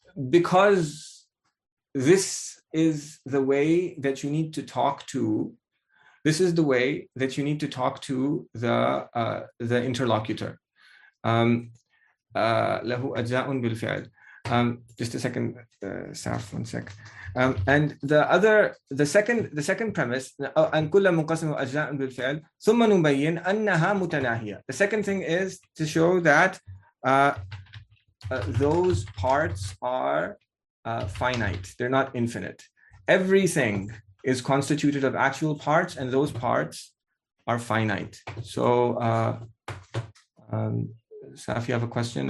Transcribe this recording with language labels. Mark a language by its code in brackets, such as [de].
[en] Because this is the way that you need to talk to. This is the way that you need to talk to the interlocutor. [ar] لَهُ أَجْزَاءٌ بِالْفِعْلِ. [en] Just a second, Saf, one sec. And the second premise, [ar] أَنْ كُلَّ مُقَسِمُ أَجْزَاءٌ بِالْفِعْلِ ثُمَّ نُبَيِّنْ أَنَّهَا مُتَنَاهِيَةٌ. [en] The second thing is to show that those parts are finite. They're not infinite. Everything is constituted of actual parts, and those parts are finite. So, Saf, you have a question?